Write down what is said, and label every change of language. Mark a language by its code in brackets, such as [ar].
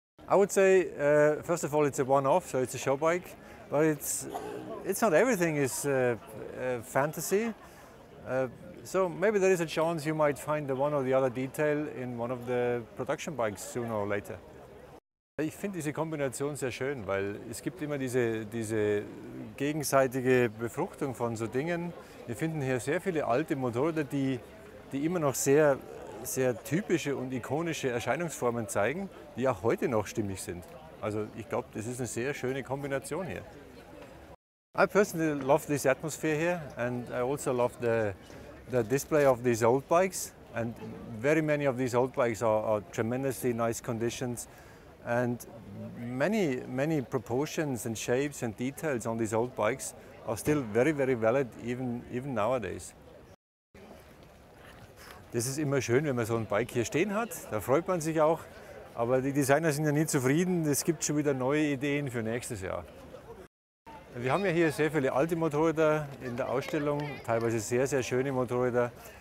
[en] I would say, first of all, it's a One-Off, so it's a Showbike, but it's not everything is fantasy. So maybe there is a chance you might find the one or the other detail in one of the production bikes sooner or later. [de] Ich finde diese Kombination sehr schön, weil es gibt immer diese gegenseitige Befruchtung von so Dingen. Wir finden hier sehr viele alte Motorräder, die immer noch sehr, sehr typische und ikonische Erscheinungsformen zeigen, die auch heute noch stimmig sind. Also ich glaube, das ist eine sehr schöne Kombination hier. [en] I personally love this atmosphere here, and I also love the display of these old bikes. And very many of these old bikes are tremendously nice conditions, and many proportions and shapes and details on these old bikes are still very, very valid even nowadays. [de] Das ist immer schön, wenn man so ein Bike hier stehen hat. Da freut man sich auch. Aber die Designer sind ja nie zufrieden. Es gibt schon wieder neue Ideen für nächstes Jahr. Wir haben ja hier sehr viele alte Motorräder in der Ausstellung, teilweise sehr, sehr schöne Motorräder.